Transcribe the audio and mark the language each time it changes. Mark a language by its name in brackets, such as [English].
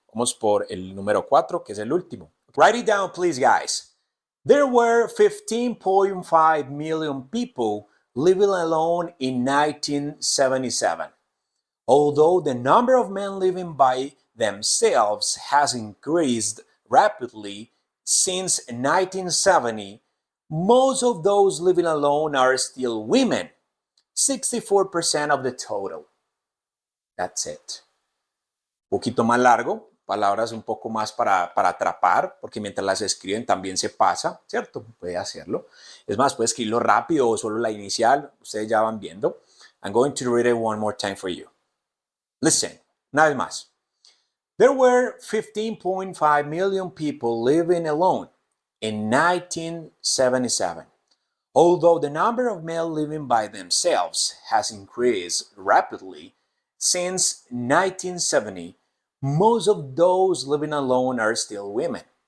[Spanish] Vamos por el número 4, que es el último. [English] Write it down, please, guys. There were 15.5 million people living alone in 1977. Although the number of men living by themselves has increased rapidly since 1970, most of those living alone are still women, 64% of the total. That's it. [Spanish] Un poquito más largo, palabras un poco más para atrapar, porque mientras las escriben también se pasa, ¿cierto? Puede hacerlo. Es más, puede escribirlo rápido o solo la inicial, ustedes ya van viendo. [English] I'm going to read it one more time for you. Listen, [Spanish] una vez más. [English] There were 15.5 million people living alone in 1977. Although the number of male living by themselves has increased rapidly since 1970, most of those living alone are still women.